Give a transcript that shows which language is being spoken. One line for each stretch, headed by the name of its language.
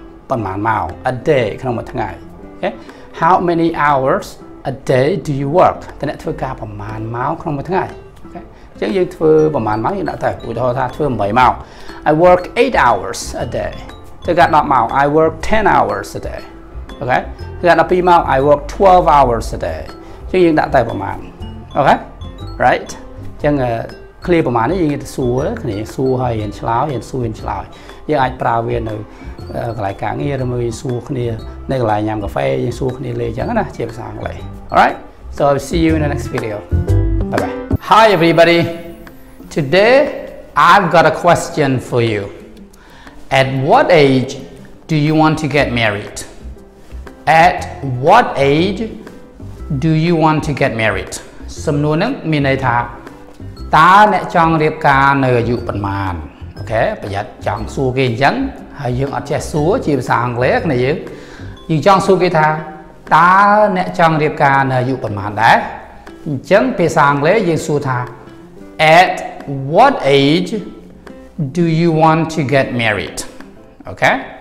Khmer: ប្រមាណម៉ោង
English: a day
Khmer: ក្នុងមួយថ្ងៃអូខេ
English: how many hours a day do you work
Khmer: តើអ្នកធ្វើការប្រមាណម៉ោងក្នុងមួយថ្ងៃអញ្ចឹងយើងធ្វើប្រមាណម៉ោងយើងដាក់ទៅឧទាហរណ៍ថាធ្វើ8ម៉ោង
English: I work 8 hours a day
Khmer: ទៅកាត់10ម៉ោង
English: I work 10 hours a day
Khmer: អូខេទៅកាត់12ម៉ោង
English: I work 12 hours a day
Khmer: អញ្ចឹងយើងដាក់ទៅប្រមាណអូខេ right អញ្ចឹង clear ប្រមាណនេះយើងទៅសួរគ្នាសួរហើយរៀនឆ្លើយរៀនសួរវិញឆ្លើយយើងអាចប្រើវានៅ កន្លែងការងារឬមួយសួរគ្នានៅកន្លែងញ៉ាំកាហ្វេយើងសួរគ្នាលេងអញ្ចឹងណាជាភាសាអង់គ្លេស
English: All right so I'll see you in the next video bye byeHi everybody, today I've got a question for you. At what age do you want to get married? At what age do you want to get married?
Khmer: សំណួរនេះមានន័យថាតើអ្នកចង់រៀបការនៅអាយុប៉ុន្មាន? Okay, ប្រយ័ត្នចង់សួរគេអញ្ចឹងហើយយើងអត់ចេះសួរជាភាសាអង់គ្លេសណាយើងចង់សួរគេថាតើអ្នកចង់រៀបការនៅអាយុប៉ុន្មានដែរអញ្ចឹងភាសាអង់គ្លេសយើងសួរថា
English: At what age do you want to get married? Okay?